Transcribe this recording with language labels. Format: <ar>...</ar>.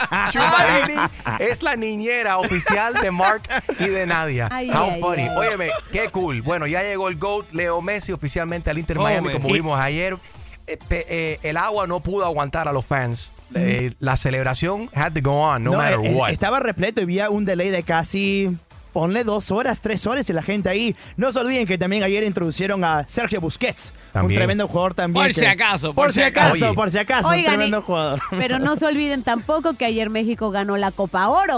<es>Chuma es la niñera oficial de Mark y de Nadia.</es> <en>How funny.</en> <es>Óyeme, qué cool. Bueno, ya llegó el GOAT, Leo Messi, oficialmente al Inter Miami, como vimos ayer. El agua no pudo aguantar a los fans. La celebración</es> <en>had to go on, no matter what.</en> <es>Estaba repleto y había un delay de casi... ponle 2 horas, 3 horas y la gente ahí. No se olviden que también ayer introducieron a Sergio Busquets, también. Un tremendo jugador también. Por si acaso. Oigan, tremendo jugador. Pero no se olviden tampoco que ayer México ganó la Copa Oro.</es>